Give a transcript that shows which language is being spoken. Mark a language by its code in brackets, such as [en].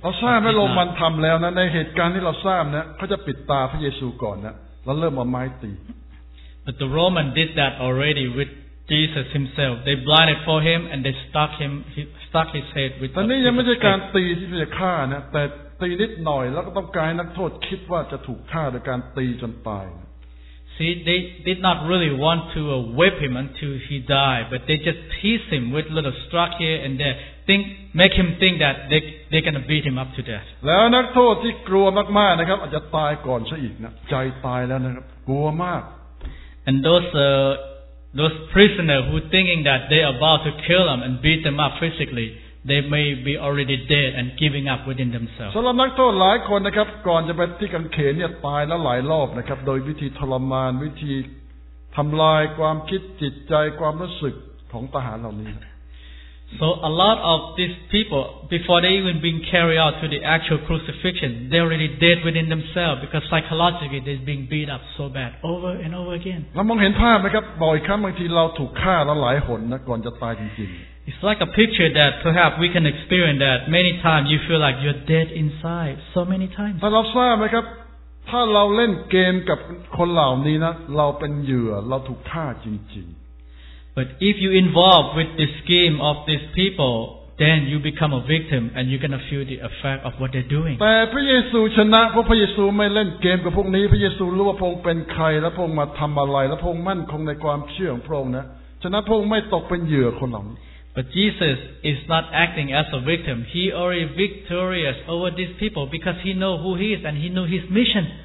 [th] เราทราบว่าโรมันทําแล้วนะในเหตุการณ์ที่เราทราบนะเขาจะปิดตาพระเยซูก่อนนะแล้วเริ่มเอาไม้ตี [en] But the Roman did that already with Jesus himself they blinded for him and they stuck his head with [th] ตอนนี้ยังไม่ใช่การตีที่จะฆ่านะแต่ตีนิดหน่อยแล้วก็ต้องการให้นักโทษคิดว่าจะถูกฆ่าโดยการตีจนตาย [en] See, they did not really want to whip him until he died, but they just tease him with little struck here and there, make him think that they're going to beat him up to death. [th] แล้วนักโทษที่กลัวมากๆนะครับอาจจะตายก่อนซะอีกนะใจตายแล้วนะครับกลัวมาก [en] And those prisoners who thinking that they're about to kill him and beat them up physically, they may be already dead and giving up within themselves. [th] สำหรับนักโทษหลายคนนะครับก่อนจะไปที่กังเขนเนี่ยตายแล้วหลายรอบนะครับโดยวิธีทรมานวิธี ทำลายความคิดจิตใจความรู้สึกของทหารเหล่านี้ [en] So a lot of these people before they even being carried out to the actual crucifixion they already dead within themselves because psychologically they're being beat up so bad over and over again [th] เรามองเห็นภาพไหมครับบ่อยครั้งบางทีเราถูกฆ่าแล้วหลายหนนะก่อนจะตายจริงๆ [en] It's like a picture that perhaps we can experience that many times you feel like you're dead inside so many times. But [th] เราทราบไหมครับถ้าเราเล่นเกมกับคนเหล่านี้นะเราเป็นเหยื่อเราถูกฆ่าจริง [en] ๆ But if you involve with the scheme of these people, then you become a victim and you're gonna feel the effect of what they're doing. [th] แต่พระเยซูชนะเพราะพระเยซูไม่เล่นเกมกับพวกนี้พระเยซูรู้ว่าพระองค์เป็นใครและพระองค์มาทำอะไรและพระองค์มั่นคงในความเชื่อของพระองค์นะฉะนั้นพระองค์ไม่ตกเป็นเหยื่อคนเหล่านี้ [en] But Jesus is not acting as a victim. He already victorious over these people because he know who he is and he know his mission.